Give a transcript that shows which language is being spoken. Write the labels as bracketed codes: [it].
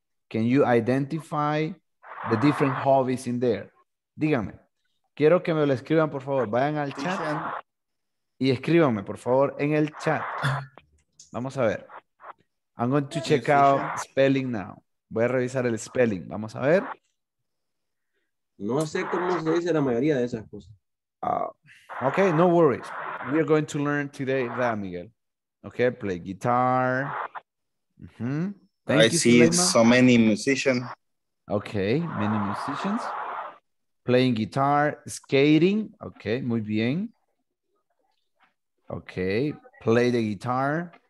[en] Can you identify the different hobbies in there? [es] Díganme. Quiero que me lo escriban, por favor. Vayan al chat y escríbanme, por favor, en el chat. Vamos a ver. [en] I'm going to check out spelling now. [es] Voy a revisar el spelling. Vamos a ver. No sé cómo se dice la mayoría de esas cosas. [en] Okay, no worries. We are going to learn today that, Miguel. Okay, play guitar. Mm-hmm. So many musicians. Okay, many musicians. Playing guitar, skating. Okay, [es] muy bien. [en] Okay, play the guitar.